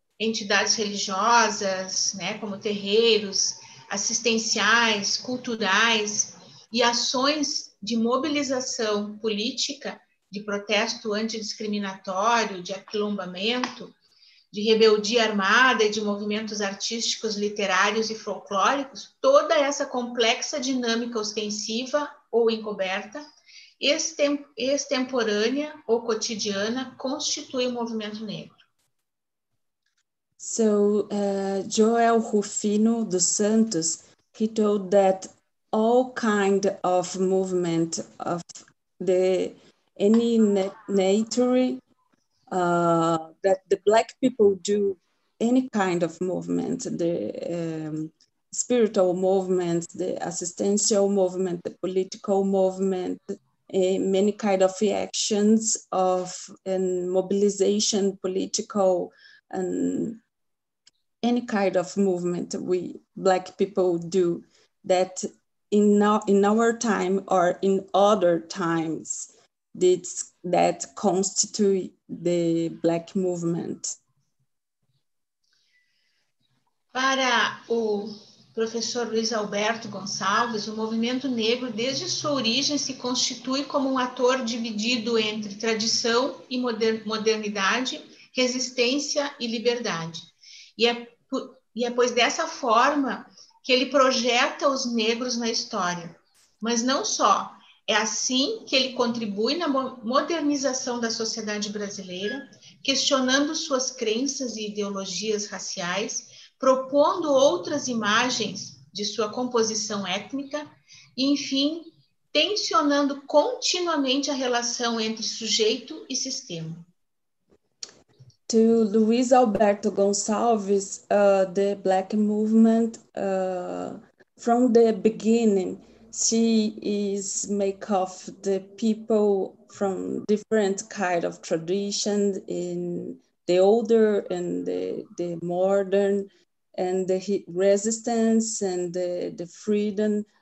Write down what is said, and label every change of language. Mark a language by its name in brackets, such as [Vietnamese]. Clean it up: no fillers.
[Portuguese] entidades religiosas, né, como terreiros, assistenciais, culturais e ações de mobilização política, de protesto antidiscriminatório, de aquilombamento, de rebeldia armada e de movimentos artísticos, literários e folclóricos, toda essa complexa dinâmica ostensiva ou encoberta, extemporânea ou cotidiana, constitui o movimento negro. [English] So, Joel Rufino dos Santos, he told that all kind of movement of the any nature that the black people do, any kind of movement, the spiritual movement, the assistential movement, the political movement, many kind of reactions of and mobilization, political and any kind of movement we black people do, that in our time or in other times, that constitute the Black Movement. [Portuguese] Para o professor Luiz Alberto Gonçalves, o movimento negro, desde sua origem, se constitui como um ator dividido entre tradição e modernidade, resistência e liberdade. E é pois dessa forma que ele projeta os negros na história. Mas não só. É assim que ele contribui na modernização da sociedade brasileira, questionando suas crenças e ideologias raciais, propondo outras imagens de sua composição étnica e, enfim, tensionando continuamente a relação entre sujeito e sistema. [English] To Luiz Alberto Gonçalves, the Black Movement, from the beginning, she is made of the people from different kind of traditions in the older and the modern and the resistance and the freedom.